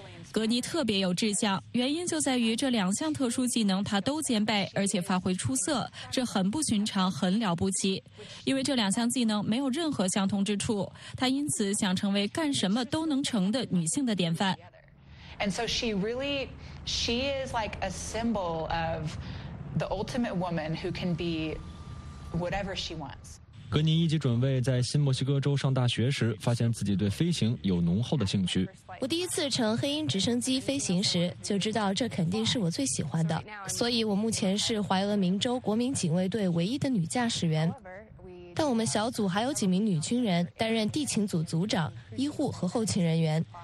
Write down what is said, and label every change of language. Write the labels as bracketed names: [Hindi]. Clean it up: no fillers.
[Chinese] 格尼特别有志向，原因就在于这两项特殊技能他都兼备，而且发挥出色，这很不寻常，很了不起。因为这两项技能没有任何相同之处，他因此想成为干什么都能成的女性的典范。 [English] And so she really, she is like a symbol of the ultimate woman who can be whatever she wants. [Chinese] 格尼一级准备在新墨西哥州上大学时发现自己对飞行有浓厚的兴趣。我第一次乘黑鹰直升机飞行时就知道这肯定是我最喜欢的，所以我目前是怀俄明州国民警卫队唯一的女驾驶员。但我们小组还有几名女军人担任地勤组组长、医护和后勤人员。